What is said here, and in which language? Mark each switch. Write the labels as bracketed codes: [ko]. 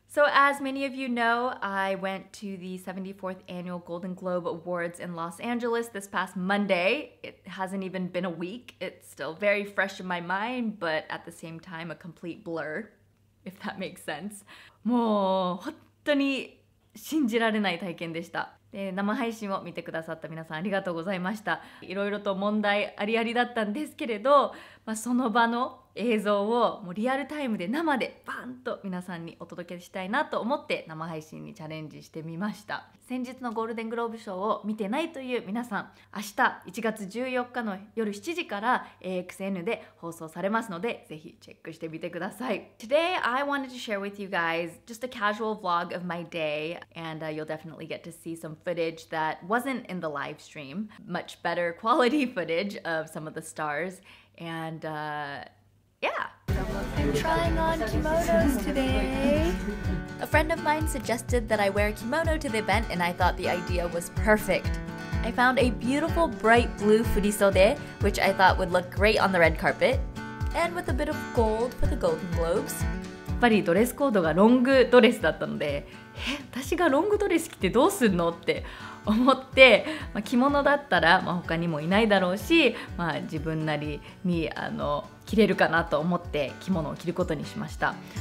[en] So as many of you know, I went to the 74th annual Golden Globe Awards in Los Angeles this past Monday. It hasn't even been a week. It's still very fresh in my mind, but at the same time, a complete blur, if that makes sense. [ja] もう本当に信じられない体験でした。で、生配信を見てくださった皆さんありがとうございました。いろいろと問題ありありだったんですけれど、まあ、その場の映像をもうリアルタイムで生でバンと皆さんにお届けしたいなと思って生配信にチャレンジしてみました。先日のゴールデングローブ賞を見てないという皆さん、明日1月14日の夜7時から AXN で放送されますので、ぜひチェックしてみてください。 [en] Today, I wanted to share with you guys just a casual vlog of my day, and you'll definitely get to see some footage that wasn't in the live stream. Much better quality footage of some of the stars, and I'm trying on kimonos today. A friend of mine suggested that I wear a kimono to the event and I thought the idea was perfect. I found a beautiful bright blue furisode, which I thought would look great on the red carpet. And with a bit of gold for the Golden Globes. [ja] やっぱりドレスコードがロングドレスだったので、え、私がロングドレス着てどうすんのって思って、まあ、着物だったら、まあ、他にもいないだろうし、まあ、自分なりに着れるかなと思って着物を着ることにしました。